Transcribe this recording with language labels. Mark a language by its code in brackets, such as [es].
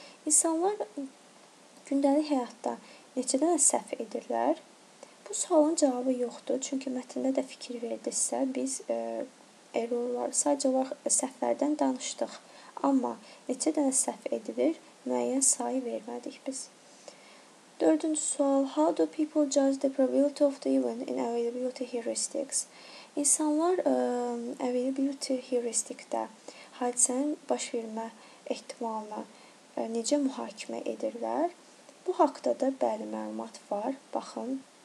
[az] İnsanlar gündəlik həyatda neçədən səhv edirlər? Bu sualın cavabı yoxdur, çünki mətndə də fikir verdisə, biz errorlar sadəcə olaraq səhvlərdən danışdıq. Amma neçə dənə səhv edilir, müəyyən sayı vermədik biz. Dördüncü sual, [en] how do people judge the probability of the event in availability heuristics? [az] İnsanlar availability heuristikdə hadisənin baş vermə ehtimalına necə mühakimə edirlər? Bu haqda da bəli məlumat var, baxın.